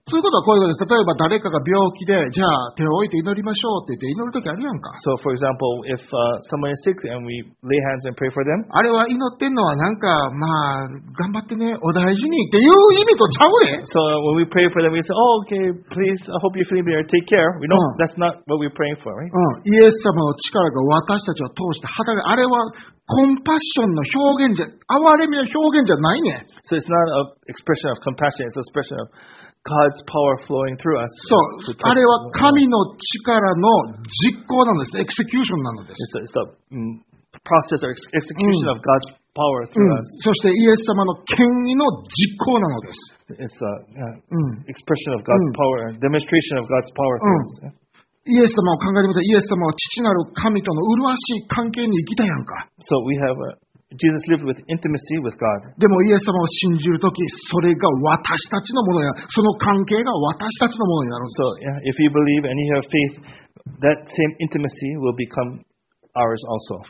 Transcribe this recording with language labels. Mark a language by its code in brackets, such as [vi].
[ja] そういうことはこういうことです。例えば誰かが病気で、じゃあ手を置いて祈りましょうって言って祈るときあるやんか。 [en] So for example, if someone is sick and we lay hands and pray for them. [ja] あれは祈ってんのはなんか、まあ、頑張ってね、お大事にっていう意味とちゃうね。 [en] So when we pray for them, we say, oh, okay, please, I hope you're feeling better, take care. We know that's not what we're praying for, right? [ja] イエス様の力が私たちを通して働く。あれはコンパッションの表現じゃ、憐れみの表現じゃないね。 [en] So it's not an expression of compassion, it's an expression of God's power flowing through us. [ja] そう、あれは神の力の実行なんです。 Execution なのです。 [en] It's the process or execution of God's power through us. [ja] そしてイエス様の権威の実行なのです。 [en] It's an expression of God's power, demonstration of God's power through us. [ja] イエス様を考えてみたら、イエス様は父なる神との麗しい関係に生きたやんか。 [en] So we have Jesus lived with intimacy with God. [ja] でもイエス様を信じるとき、それが私たちのものや、その関係が私たちのものになるんです。 [en] So yeah, if you believe and you have faith, that same intimacy will become ours also.